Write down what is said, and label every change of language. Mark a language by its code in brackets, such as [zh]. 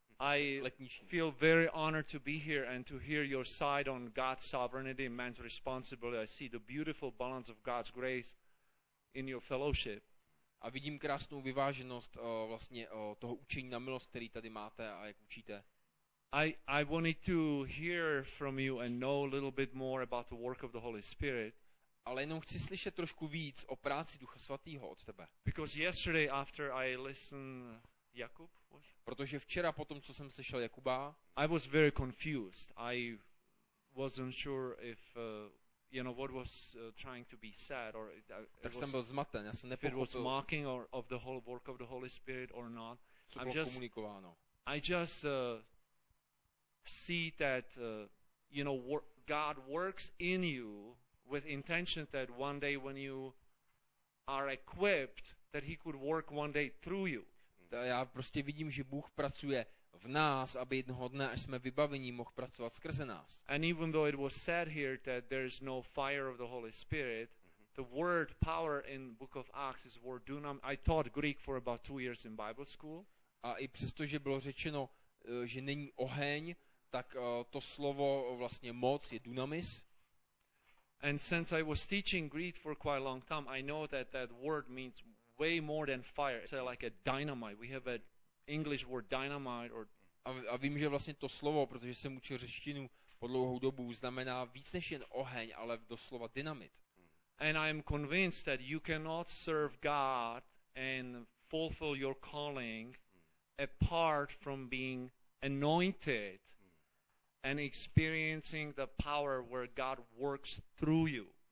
[en] I feel very honored to be here and to hear your side on God's sovereignty and man's responsibility. I see the beautiful balance of God's grace in your fellowship. [cs] A vidím krásnou vyváženost toho učení na milost, který tady máte a jak učíte. [en] I wanted to hear from you and know a little bit more about the work of the Holy Spirit. [cs] Ale jenom chci slyšet trošku víc o práci Ducha Svatého od tebe. [en] Because yesterday after I listened Jakub, [cs] protože včera po tom, co jsem slyšel Jakuba, [en] I was very confused. I wasn't sure if you know what was trying to be said or [cs] tak jsem byl zmaten, já jsem nepochopil. [en] If it was mocking or of the whole work of the Holy Spirit or not. [cs] Co bylo komunikováno. [en] I just see that you know God works in you with intention that one day when you are equipped that he could work one day through you. [cs] Já prostě vidím, že Bůh pracuje v nás, aby jednoho dne, až jsme vybaveni, mohl pracovat skrze nás. [en] And even though it was said here that there is no fire of the Holy Spirit, the word power in book of Acts is word dunam. I taught Greek for about 2 years in Bible school. [cs] A i přesto, že bylo řečeno, že není oheň, tak to slovo vlastně moc je dunamis. [en] And since I was teaching Greek for quite a long time, I know that that word means way more than fire. It's like a dynamite. We have an English word dynamite or [cs] a vím, že vlastně to slovo, protože jsem učil řečtinu po dlouhou dobu, znamená víc než jen oheň, ale doslova dynamit. [en] And I am convinced that you cannot serve God and fulfill your calling apart from being anointed and experiencing the power where God works through you.